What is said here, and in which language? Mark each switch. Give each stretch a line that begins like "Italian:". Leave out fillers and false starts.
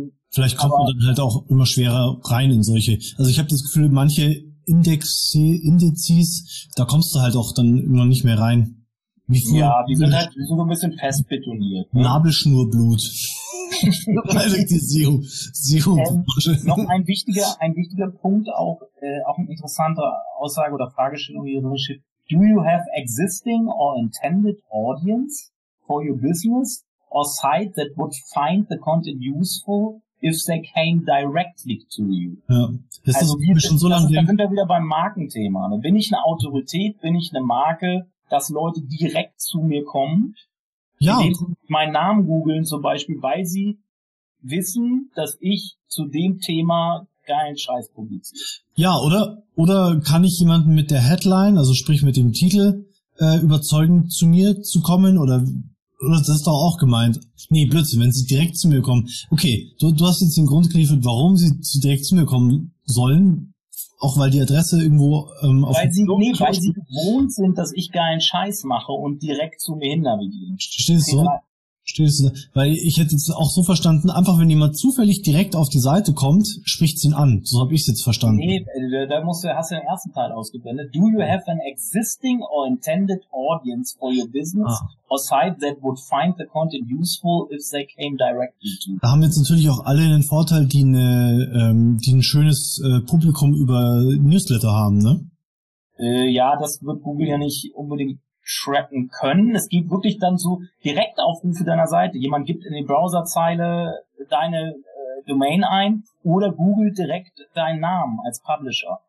German: Vielleicht kommt man dann halt auch immer schwerer rein in solche. Also ich habe das Gefühl, manche Indizes, da kommst du halt auch dann immer nicht mehr rein. Wie viel? Ja, die sind halt so ein bisschen fest betoniert. Ne? Nabelschnurblut. Dialektisierung. Noch ein wichtiger Punkt, auch eine interessante Aussage oder Fragestellung hier drin steht.
English: Do you have existing or intended audience for your business or site that would find the content useful if they came directly to you?
German: Ja, ist das also, wir schon so lange. Dann sind wir wieder beim Markenthema. Ne? Bin ich eine Autorität, bin ich eine Marke, dass Leute direkt zu mir kommen, ja, indem sie meinen Namen googeln zum Beispiel, weil sie wissen, dass ich zu dem Thema geilen Scheiß publiziere. Ja, oder kann ich jemanden mit der Headline, also sprich mit dem Titel, überzeugen, zu mir zu kommen? Oder das ist doch auch gemeint. Nee, Blödsinn, wenn sie direkt zu mir kommen. Okay, du hast jetzt den Grund geliefert, warum sie direkt zu mir kommen sollen. Auch weil die Adresse irgendwo auf dem Klo ist. Weil sie gewohnt sind, dass ich geilen Scheiß mache und direkt zu mir hin navigieren. Stehst du? Weil ich hätte es auch so verstanden, einfach wenn jemand zufällig direkt auf die Seite kommt, spricht sie ihn an. So habe ich es jetzt verstanden. Nee, da hast du den ersten Teil ausgeblendet.
English: Do you have an existing or intended audience for your business or site that would find the content useful if they came directly to you?
German: Da haben jetzt natürlich auch alle einen Vorteil, die ein schönes Publikum über Newsletter haben, ne? Ja, das wird Google ja nicht unbedingt tracken können. Es gibt wirklich dann so Direktaufrufe deiner Seite. Jemand gibt in die Browserzeile deine Domain ein oder googelt direkt deinen Namen als Publisher.